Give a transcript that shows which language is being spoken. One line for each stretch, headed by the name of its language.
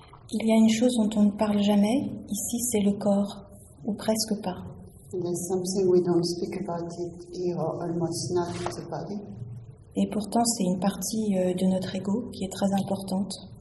French: Il y a une chose dont on ne parle jamais ici, c'est le corps, ou presque pas.
English: And there's something we don't speak about it here, or almost not the body.
French: Et pourtant, c'est une partie de notre ego qui est très importante.